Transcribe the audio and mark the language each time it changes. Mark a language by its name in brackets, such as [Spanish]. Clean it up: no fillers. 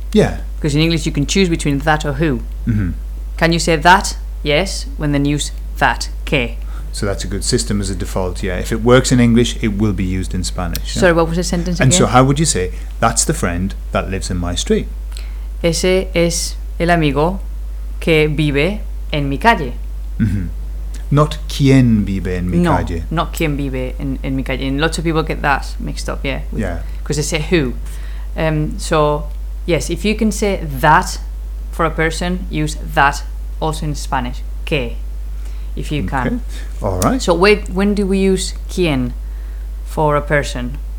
[English] Yeah. Because in English you can choose between that or who. Mm-hmm. Can you say that? Yes. When then use that, [Spanish] que. [English] So that's a good system as a default, yeah. If it works in English, it will be used in Spanish. Yeah. Sorry, what was the sentence and again? And so how would you say, that's the friend that lives in my street? [Spanish] Ese es el amigo que vive en mi calle. [English] Mm-hmm. Not [Spanish] quien vive en mi calle. No, [English] not [Spanish] quien vive en mi calle. [English] And lots of people get that mixed up, yeah. Because yeah. They say who. So, yes, if you can say that for a person, use that also in Spanish. [Spanish] Que. [English] If you can. Okay. All right. So when do we use quién for a person?